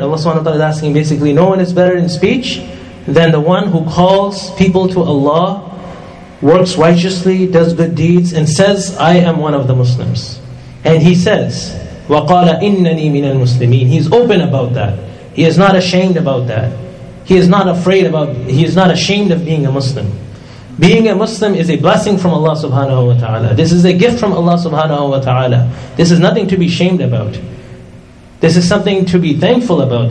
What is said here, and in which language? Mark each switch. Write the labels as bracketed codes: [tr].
[en] Allah subhanahu wa ta'ala is asking basically, no one is better in speech than the one who calls people to Allah, works righteously, does good deeds, and says, I am one of the Muslims. And he says, [ar] وَقَالَ إِنَّنِي مِنَ الْمُسْلِمِينَ. [en] He's open about that. He is not ashamed about that. He is not ashamed of being a Muslim. Being a Muslim is a blessing from Allah subhanahu wa ta'ala. This is a gift from Allah subhanahu wa ta'ala. This is nothing to be ashamed about. This is something to be thankful about.